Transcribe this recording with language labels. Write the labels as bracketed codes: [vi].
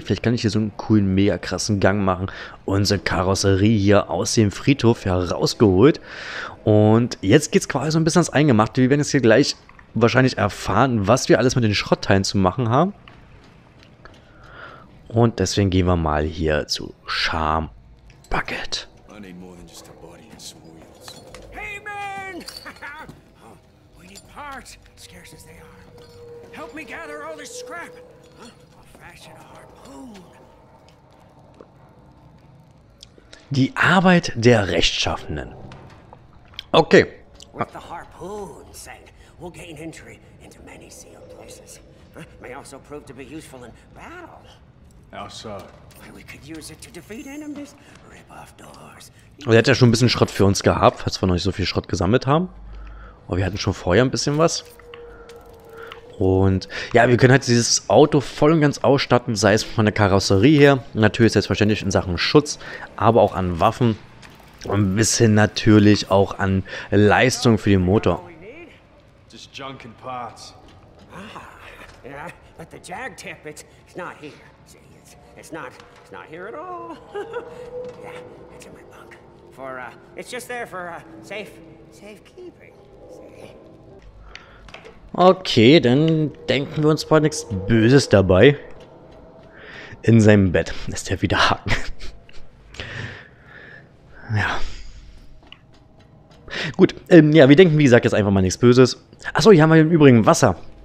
[de] Vielleicht kann ich hier so einen coolen, mega krassen Gang machen. Unsere Karosserie hier aus dem Friedhof herausgeholt. Und jetzt geht's quasi so ein bisschen ans Eingemachte. Wir werden jetzt hier gleich wahrscheinlich erfahren, was wir alles mit den Schrottteilen zu machen haben. Und deswegen gehen wir mal hier zu Charm Bucket. [en] I need more than just a body and some wheels. Hey, man! Huh? We need parts, scarce as they are. Help me gather all this scrap. Huh? I'll fashion a harpoon. [de] Die Arbeit der Rechtschaffenden. [en] Okay. With the harpoon, Sang, we'll gain entry into many sealed places. Huh? May also prove to be useful in battle. How so? We could use it to defeat enemies. Rip off doors. [de] Er hat ja schon ein bisschen Schrott für uns gehabt, falls wir noch nicht so viel Schrott gesammelt haben. Aber wir hatten schon vorher ein bisschen was. Und ja, wir können halt dieses Auto voll und ganz ausstatten, sei es von der Karosserie her, natürlich selbstverständlich in Sachen Schutz, aber auch an Waffen und ein bisschen natürlich auch an Leistung für den Motor. [en] Just junk and parts. Ah, yeah, but the jag tip, it's not here. It's not here at all. Yeah, it's in my bunk. For it's just there for safekeeping. [de] Okay, dann denken wir uns mal nichts Böses dabei. In seinem Bett ist er wieder Haken. Ja. Gut, ja, wir denken, wie gesagt, jetzt einfach mal nichts Böses. Achso, hier haben wir im Übrigen Wasser.